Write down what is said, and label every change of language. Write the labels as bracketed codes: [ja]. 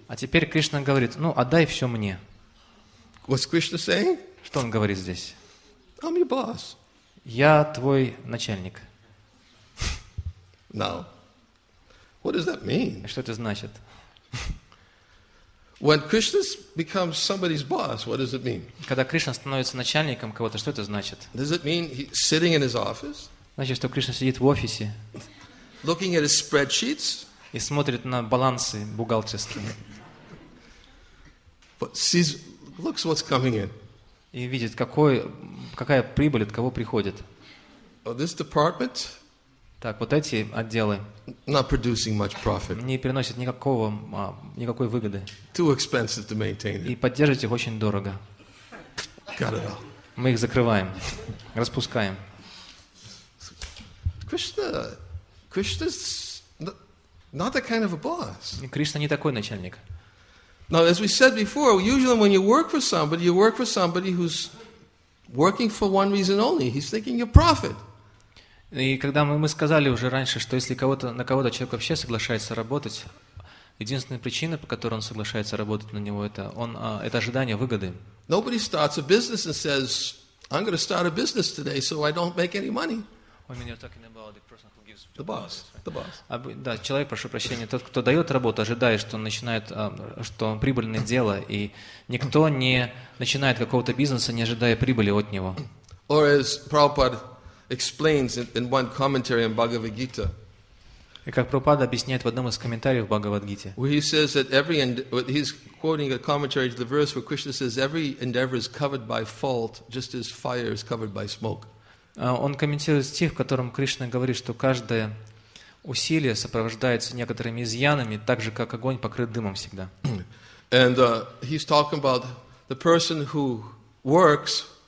[ru] А теперь Кришна говорит, ну, отдай все мне. [en] What's Krishna saying? [ru] Что он говорит здесь? [en] I'm your boss. [ru] Я твой начальник. [en] Now, what does that mean? [ru] Что это значит? [en] When Krishna becomes somebody's boss, what does it mean? [ru] Когда Кришна становится начальником кого-то, что это значит? [en] Does it mean he's sitting in his office? [ru] Значит, что Кришна сидит в офисе. [en] Looking at his spreadsheets. [ru] И смотрит на балансы бухгалтерские. [en] But sees, looks what's coming in. [ru] И видит, какая прибыль от кого приходит. [en] Oh, this department. [ru] Так, вот эти отделы [en] not producing much profit. [ru] Не приносят никакой выгоды. [en] Too expensive to maintain it. [ru] И поддерживать их очень дорого. [en] Got it all. [ru] Мы их закрываем, распускаем. [en] Krishna's not that kind of a boss. [ru] Кришна не такой начальник. [en] Now, as we said before, usually when you work for somebody who's working for one reason only. He's thinking of profit. [ru] И когда мы сказали уже раньше, что если на кого-то человек вообще соглашается работать, единственная причина, по которой он соглашается работать на него, это ожидание выгоды. [en] Nobody starts a business and says, I'm going to start a business today, so I don't make any money. I mean, you're talking about the person who gives the boss. The boss. [ru] Да, человек, прошу прощения, тот, кто дает работу, ожидает, что он начинает, что он прибыльное дело, и никто не начинает какого-то бизнеса, не ожидая прибыли от него. [en] Or as Prabhupada explains in one commentary on Bhagavad Gita. [ru] И как Прабхупада объясняет в одном из комментариев Бхагавад Гите. [en] Where he says that he's quoting a commentary to the verse where Krishna says every endeavor is covered by fault, just as fire is covered by smoke. [ru] Он комментирует стих, в котором Кришна говорит, что каждое усилие сопровождается некоторыми изъянами, так же как огонь покрыт дымом всегда. [en] And he's talking about the person who works